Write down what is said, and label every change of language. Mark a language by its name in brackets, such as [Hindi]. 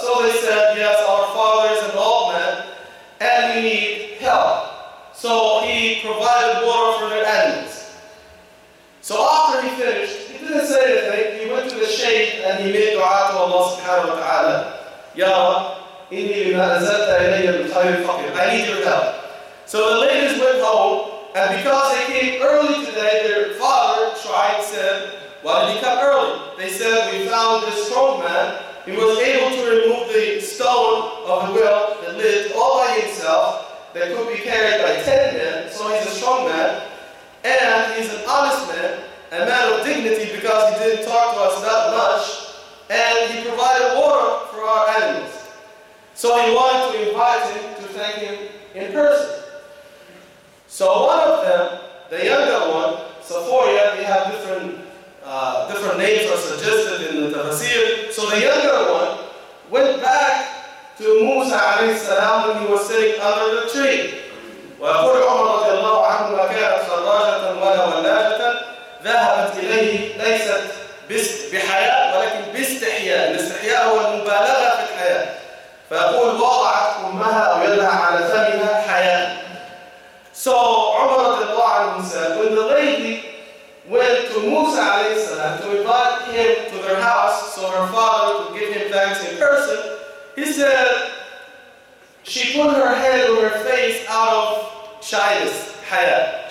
[English] So they said, yes, our father is an old man and we need help. So he provided water for their animals. So after he finished, he didn't say anything. He went to the shaykh and he made dua to Allah subhanahu wa ta'ala. Ya Allah, [Arabic] إني لما أنزلت إلي من خير فقير. [English] I need your help. So the ladies went home, and because they came early today, their father tried and said, why did you come early? They said, we found this strong man. He was able to remove the stone of the well that lived all by himself, that could be carried by 10 men, so he's a strong man. And he's an honest man, a man of dignity, because he didn't talk to us that much. And he provided water for our animals. So he wanted to invite him to thank him in person. So one of them, the younger one, Safoya, they have different names are suggested in the Tafsir. So the younger one went back to Musa alayhi salam when he was sitting under the tree. [Arabic] وَيَقُولُ عُمَرُ رَضِيَ اللَّهُ عَنْهُ لَكَانَتْ خَرَّاجَةً وَلَا وَلَّاجَةً ذَهَبَتْ إِلَيْهِ لَيْسَتْ بِحَيَاءٍ وَلَكِنْ بِاسْتِحْيَاءٍ الاستحياء هو المبالغة في الحياة. فيقول وضعت أمها أو يدها على فمها حياء. [English] So Umar radiallahu anhu said, when the lady went to Musa alayhi salam to invite him to their house so her father could give him thanks in person, he said, she put her head on her face out of shyness, haya.